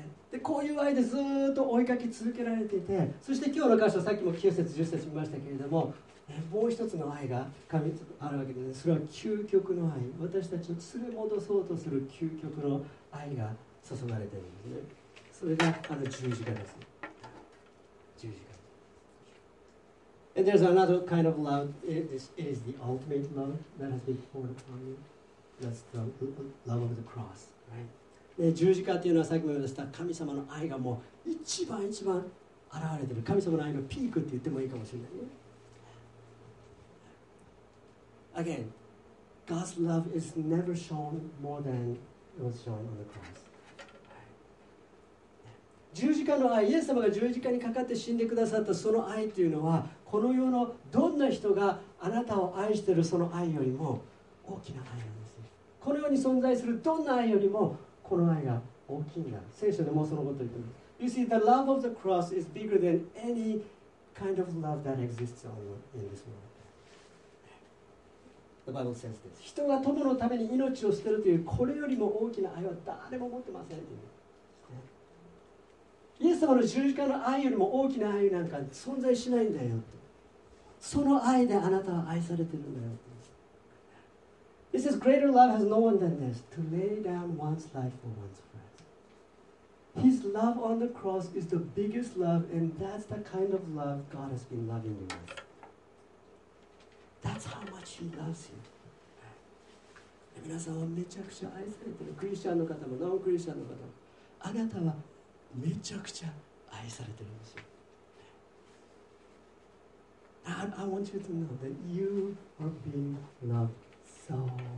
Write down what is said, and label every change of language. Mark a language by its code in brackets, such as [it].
[ja] で、こういう愛でずっと追いかけ続けられていて、そして今日の箇所、さっきも9節、10節見ましたけれども、もう一つの愛が神あるわけです、ね。それは究極の愛。私たちを連れ戻そうとする究極の愛が注がれているんですね。それがあの十字架です。 [en] 十字架。And there's another kind of love. It is the ultimate love that has been poured upon you. That's the love of the cross, right? [ja] 十字架というのはさっきも言いました神様の愛がもう一番一番現れている。神様の愛のピークって言ってもいいかもしれないね。 [en] Again, God's love is never shown more than it was shown on the cross. [ja] 十字架の愛、イエス様が十字架にかかって死んでくださったその愛というのは、この世のどんな人があなたを愛しているその愛よりも大きな愛なんです。この世に存在するどんな愛よりもこの愛が大きいんだ。聖書でもそのことを言っています。 [en] You see, the love of the cross is bigger than any kind of love that exists in this world. The Bible says this. [ja] 人が友のために命を捨てるというこれよりも大きな愛は誰も持ってませんという。イエスス様の十字架の愛よりも大きな愛なんか存在しないんだよ。その愛であなたは愛されてるんだよ。 [en] He says, greater love has no one than this, to lay down one's life for one's friends. His love on the cross is the biggest love, and that's the kind of love God has been loving you with. That's how much He loves you. [ja] 皆さんはめちゃくちゃ愛されてる。クリスチャンの方もノンクリスチャンの方も、あなたはめちゃくちゃ愛されてるんですよ。 [en] I want you to know that you are being loved so much.